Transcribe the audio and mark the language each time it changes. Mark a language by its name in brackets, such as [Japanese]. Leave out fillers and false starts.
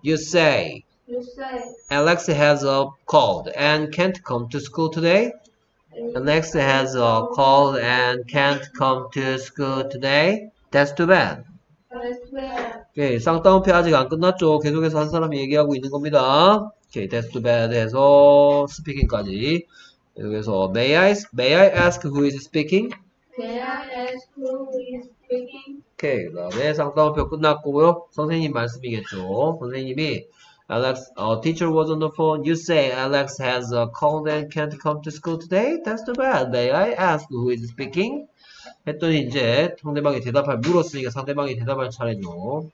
[English] You say Alex has a cold and can't come to school today. Alex has a cold and can't come to school today. That's too bad. Okay, [Korean] 쌍따옴표 아직 안 끝났죠. 계속해서 한 사람이 얘기하고 있는 겁니다. [English] Okay, that's too bad [Korean] 해서 스피킹까지. 여기서 [English] may I ask who is speaking? May I ask who is speaking? [Korean] 오케이 그 다음에 상담표 끝났고요. 선생님 말씀이겠죠. 선생님이 [English] Alex, teacher was on the phone. You say Alex has a cold and can't come to school today. That's too bad. May I ask who is speaking? [Korean] 했더니 이제 상대방이 대답할 물었으니까 상대방이 대답할 차례죠.